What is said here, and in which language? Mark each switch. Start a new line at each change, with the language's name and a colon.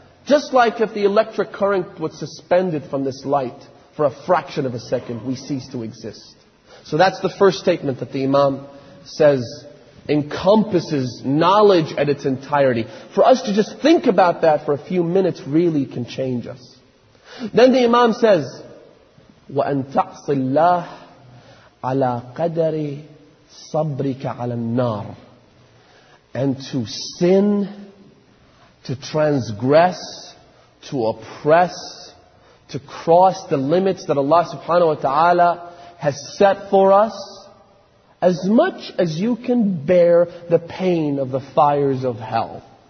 English: Just like if the electric current was suspended from this light for a fraction of a second, we cease to exist. So that's the first statement that the Imam says encompasses knowledge at its entirety. For us to just think about that for a few minutes really can change us. Then the Imam says,
Arabic: وَأَن تَعْصِ اللَّهِ عَلَىٰ قَدَرِ صَبْرِكَ عَلَىٰ النَّارِ.
English: And to sin, to transgress, to oppress, to cross the limits that Allah subhanahu wa ta'ala has set for us, as much as you can bear the pain of the fires of hell.